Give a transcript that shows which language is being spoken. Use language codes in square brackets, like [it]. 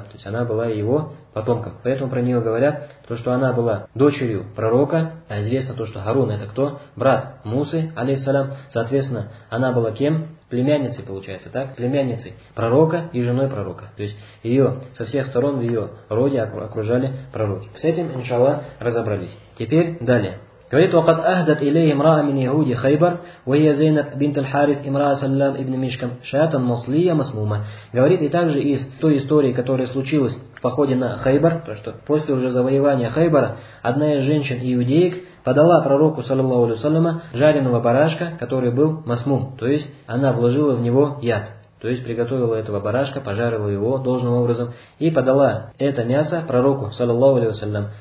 [ru] То есть она была его потомком. Поэтому про нее говорят, то, что она была дочерью пророка, а известно то, что Харун это кто? Брат Мусы, алейхиссалям. Соответственно, она была кем? Племянницей, получается, так? Племянницей пророка и женой пророка. То есть ее со всех сторон в ее роде окружали пророки. С этим, иншаллах, разобрались. Теперь далее. Говорит, [ar] وقد أهدت إليه امرأة من يهود خيبر وهي زينب بنت الحارث امرأة سلام ابن مشكم شاتا مصليا مسموما. [ru] Говорит, и также из той истории, которая случилась в походе на Хайбар, то что после уже завоевания Хайбара одна из женщин иудеек подала пророку саллаллаху алейхи ва саллям жареного барашка, который был масмум, то есть она вложила в него яд. То есть приготовила этого барашка, пожарила его должным образом и подала это мясо пророку, саллаллаху алейхи ва саллям.